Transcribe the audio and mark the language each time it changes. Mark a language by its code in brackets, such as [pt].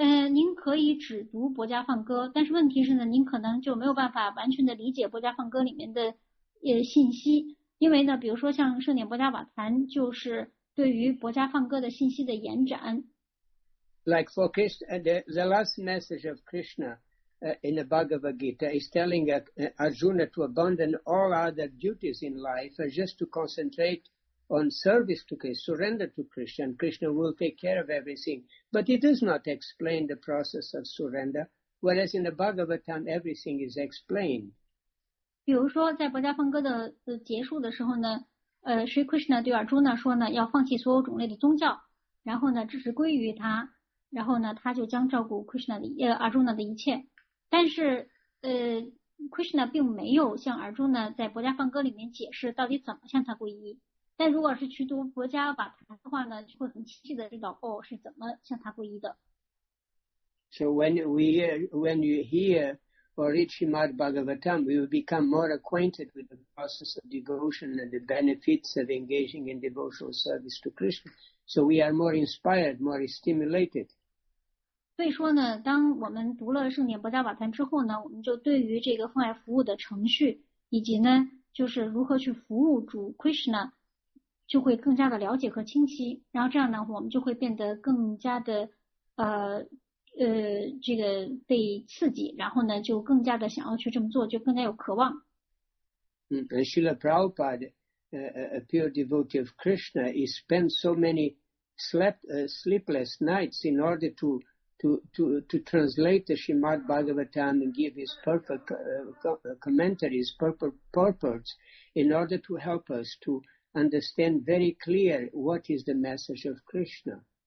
[zh] 您可以只读博家梵歌，但是问题是呢，您可能就没有办法完全的理解博家梵歌里面的信息，因为呢，比如说像盛典博家瓦坛，就是对于博家梵歌的信息的延展。 [en] Like for Krishna, the last message of Krishna in the Bhagavad Gita is telling Arjuna to abandon all other duties in life and just to concentrate on service to Krishna, surrender to Krishna, and Krishna will take care of everything. But it does not explain the process of surrender, whereas in the Bhagavatam, everything is explained. [zh] 比如说，在博家梵歌的结束的时候呢，Sri Krishna 对 Arjuna 说呢，要放弃所有种类的宗教，然后呢，只是归于他，然后呢，他就将照顾 Krishna 的Arjuna 的一切。但是，Krishna 并没有向 Arjuna 在博家梵歌里面解释到底怎么向他皈依。但如果是去读博家瓦坛的话呢，就会很清晰的知道是怎么向他皈依的。 [en] So when you hear Orishimad Bhagavatam, we will become more acquainted with the process of devotion and the benefits of engaging in devotional service to Krishna. So we are more inspired, more stimulated. [zh] 所以说呢，当我们读了圣典《薄伽瓦坛》之后呢，我们就对于这个奉爱服务的程序，以及呢，就是如何去服务主 Krishna， 就会更加的了解和清晰。然后这样呢，我们就会变得更加的这个被刺激，然后呢，就更加的想要去这么做，就更加有渴望。 [en] And Srila Prabhupada, a pure devotee of Krishna, he spent so many sleepless nights in order to translate the Srimad Bhagavatam and give his perfect commentaries, purports, in order to help us to understand very clear what is the message of Krishna.